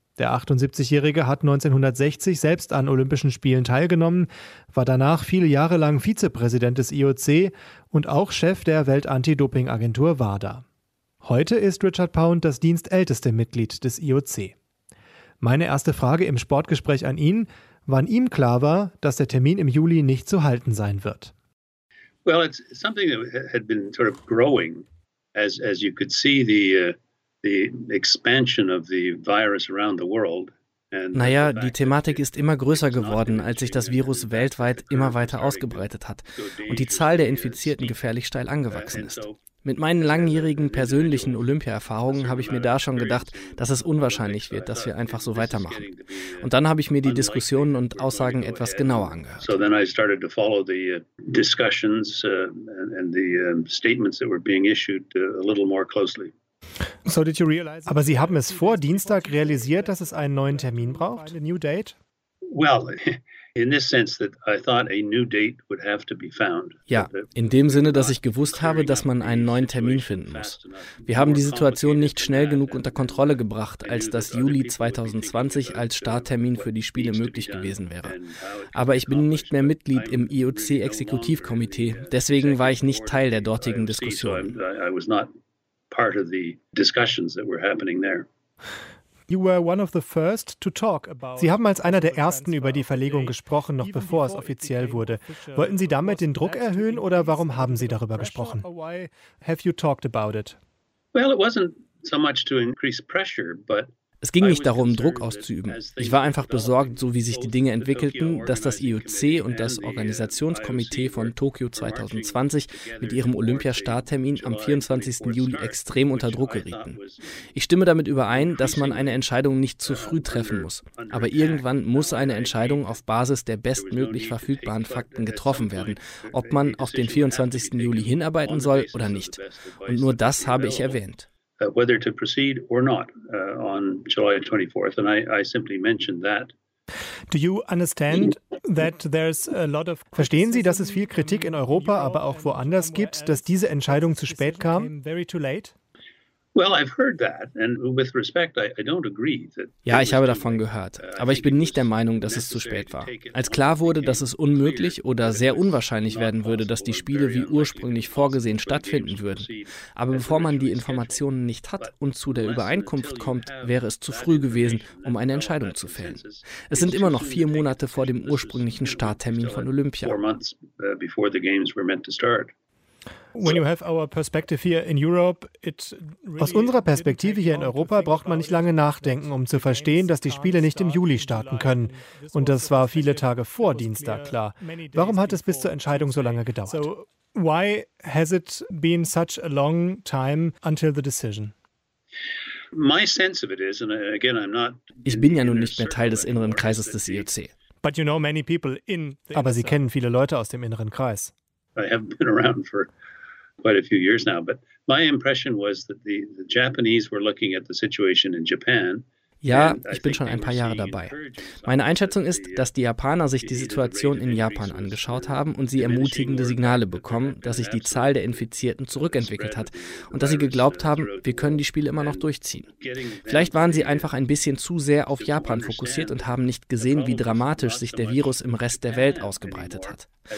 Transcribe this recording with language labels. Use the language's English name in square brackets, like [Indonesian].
[German] Der 78-Jährige hat 1960 selbst an Olympischen Spielen teilgenommen, war danach viele Jahre lang Vizepräsident des IOC und auch Chef der Welt-Anti-Doping-Agentur WADA. Heute ist Richard Pound das dienstälteste Mitglied des IOC. Meine erste Frage im Sportgespräch an ihn, wann ihm klar war, dass der Termin im Juli nicht zu halten sein wird. [English] Well, it's something that had been sort of growing, as you could see the expansion of the virus around the world. [German] Die Thematik ist immer größer geworden, als sich das Virus weltweit immer weiter ausgebreitet hat und die Zahl der Infizierten gefährlich steil angewachsen ist. Mit meinen langjährigen persönlichen Olympia-Erfahrungen habe ich mir da schon gedacht, dass es unwahrscheinlich wird, dass wir einfach so weitermachen. Und dann habe ich mir die Diskussionen und Aussagen etwas genauer angehört. [English] So then I started to follow the discussions and the statements that were being issued a little more closely. So did you realize? [German] Aber Sie haben es vor Dienstag realisiert, dass es einen neuen Termin braucht? [English] A new date? Well, in this sense that I thought a new date would have to be found. [German] Ja, in dem Sinne, dass ich gewusst habe, dass man einen neuen Termin finden muss. Wir haben die Situation nicht schnell genug unter Kontrolle gebracht, als dass Juli 2020 als Starttermin für die Spiele möglich gewesen wäre. Aber ich bin nicht mehr Mitglied im IOC-Exekutivkomitee, deswegen war ich nicht Teil der dortigen Diskussion. [English] Part of the discussions that were happening there. You were one of the first to talk about. [German] Sie haben als einer der ersten über die Verlegung gesprochen, noch bevor es offiziell wurde. Wollten Sie damit den Druck erhöhen oder warum haben Sie darüber gesprochen? [English] Why have you talked about it? Well, it wasn't so much to increase pressure, but. [German] Es ging nicht darum, Druck auszuüben. Ich war einfach besorgt, so wie sich die Dinge entwickelten, dass das IOC und das Organisationskomitee von Tokio 2020 mit ihrem Olympiastarttermin am 24. Juli extrem unter Druck gerieten. Ich stimme damit überein, dass man eine Entscheidung nicht zu früh treffen muss. Aber irgendwann muss eine Entscheidung auf Basis der bestmöglich verfügbaren Fakten getroffen werden, ob man auf den 24. Juli hinarbeiten soll oder nicht. Und nur das habe ich erwähnt. [English] Whether to proceed or not on July 24th, and I simply mentioned that. Do you understand that there's a lot of? [German] Verstehen Sie, dass es viel Kritik in Europa, aber auch woanders gibt, dass diese Entscheidung zu spät kam? [English] Very too late. Well, I've heard that, and with respect, I don't agree that. [German] Ja, ich habe davon gehört, aber ich bin nicht der Meinung, dass es zu spät war. Als klar wurde, dass es unmöglich oder sehr unwahrscheinlich werden würde, dass die Spiele wie ursprünglich vorgesehen stattfinden würden, aber bevor man die Informationen nicht hat und zu der Übereinkunft kommt, wäre es zu früh gewesen, um eine Entscheidung zu fällen. Es sind immer noch 4 Monate vor dem ursprünglichen Starttermin von Olympia. [English] When you have our perspective here in Europe, it really. [German] Aus unserer Perspektive hier in Europa braucht man nicht lange nachdenken, um zu verstehen, dass die Spiele nicht im Juli starten können. Und das war viele Tage vor Dienstag klar. Warum hat es bis zur Entscheidung so lange gedauert? [English] So, why has it been such a long time until the decision? My sense of it is, and again, I'm not. [German] Ich bin ja nun nicht mehr Teil des inneren Kreises des IOC. [English] But you know many people in. [German] Aber Sie kennen viele Leute aus dem inneren Kreis. [English] I haven't been around for quite a few years now, but my impression was that the Japanese were looking at the situation in Japan. [German] Ja, ich bin schon ein paar Jahre dabei. Meine Einschätzung ist, dass die Japaner sich die Situation in Japan angeschaut haben und sie ermutigende Signale bekommen, dass sich die Zahl der Infizierten zurückentwickelt hat und dass sie geglaubt haben, wir können die Spiele immer noch durchziehen. Vielleicht waren sie einfach ein bisschen zu sehr auf Japan fokussiert und haben nicht gesehen, wie dramatisch sich der Virus im Rest der Welt ausgebreitet hat.